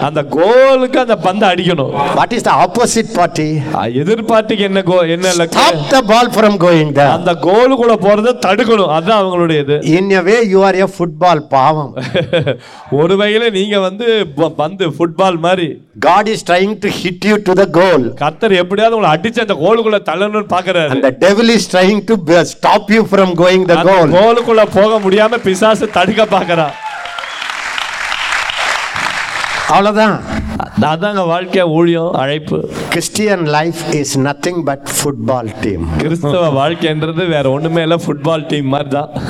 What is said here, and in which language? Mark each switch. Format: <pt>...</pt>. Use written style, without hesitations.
<ta>அந்த கோலுக்கு அந்த பந்து அடிக்கணும்.</ta> <en>What is the opposite party?</en> <ta>எதிர் பார்ட்டிக்கு என்ன கோ என்ன இலக்கு?</ta> <en>Stop the ball from going there.</en> <ta>அந்த கோலுக்குள்ள போறதை தடுக்கணும். அதான் அவங்களுடையது.</ta> <en>In a way you are a football</en> <ta>பாவம். ஒரு வகையில நீங்க வந்து பந்து football மாதிரி.</ta> <en>God is trying to hit you to the goal.</en> <ta>கர்த்தர் எப்படியாவது உங்களை அடிச்சு அந்த கோலுக்குள்ள தள்ளணும்னு பாக்குறாரு.</ta> <en>And the devil is trying to stop you from going the goal.</en> <ta>அந்த கோலுக்குள்ள போக முடியாம பிசாசு தடுக்க பாக்குறா. அவ்வளவுதான். அதாங்க வாழ்க்கை ஊழியம் அழைப்பு.</ta> <en>Christian life is nothing but football team.</en> <ta>கிறிஸ்தவ வாழ்க்கைன்றது வேற ஒண்ணுமே இல்ல, ஃபுட்பால் டீம் மாதிரி தான்.</ta>